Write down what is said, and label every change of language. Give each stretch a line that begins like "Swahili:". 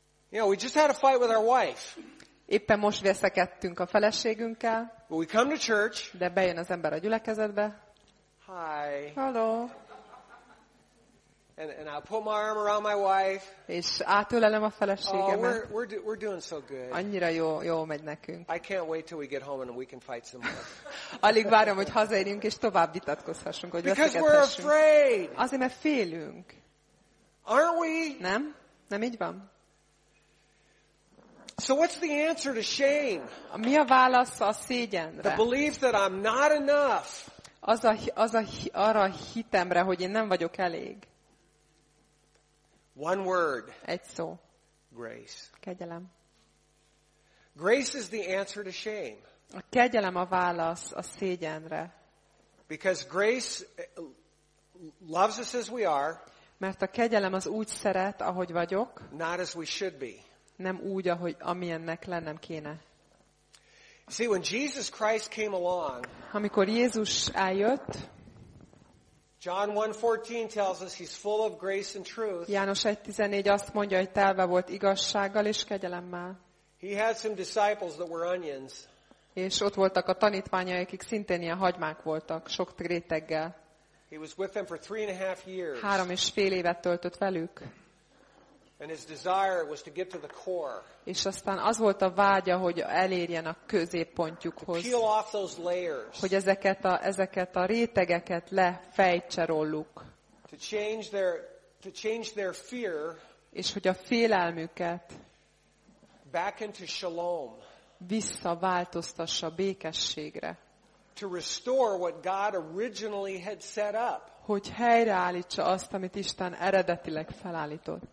English: You know, we just had a fight with our wife.
Hungarian: Éppen most veszekedtünk a feleségünkkel.
English: We come to church.
Hungarian: De bejön az ember a gyülekezetbe.
English: Hi. Hello. And I'll put my arm around my wife.
Hungarian: És átölelem a feleségemet.
English: Oh, we're doing so good.
Hungarian: Annyira jó megy nekünk.
English: I can't wait till we get home and we can fight some more.
Hungarian: Alig várom, hogy hazaérjünk és tovább vitatkozhassunk, hogy veszekedhessünk.
English: Because we're afraid.
Hungarian: Azért, mert félünk.
English: Aren't we?
Hungarian: Nem? Nem így van?
English: So what's the answer to shame?
Hungarian: Mi a válasz a szégyenre?
English: The belief that I'm not enough.
Hungarian: Arra hitemre, hogy én nem vagyok elég.
English: One word.
Hungarian: Egy szó.
English: Grace.
Hungarian: Kegyelem.
English: Grace is the answer to shame.
Hungarian: A kegyelem a válasz a szégyenre.
English: Because grace loves us as we are.
Hungarian: Mert a kegyelem az úgy szeret, ahogy vagyok.
English: Not as we should be.
Hungarian: Nem úgy, ahogy amilyennek lennem kéne.
English: See, when Jesus Christ came along,
Hungarian: amikor Jézus eljött,
English: John 1:14 tells us he's full of grace and truth.
Hungarian: János 1:14 azt mondja, hogy telve volt igazsággal és kegyelemmel.
English: He had some disciples that were onions.
Hungarian: És ott voltak a tanítványai, akik szintén ilyen hagymák voltak, sok réteggel.
English: He was with them for 3.5 years.
Hungarian: 3.5 évet töltött velük.
English: And his desire was to get to the core.
Hungarian: És aztán az volt a vágya, hogy elérjen a középpontjukhoz.
English: Peel off those layers.
Hungarian: Hogy ezeket a rétegeket lefejtse róluk.
English: To change their fear.
Hungarian: És hogy a félelmüket
English: back into shalom.
Hungarian: Visszaváltoztassa békességre.
English: To restore what God originally had set up.
Hungarian: Hogy helyreállítsa azt, amit Isten eredetileg felállított.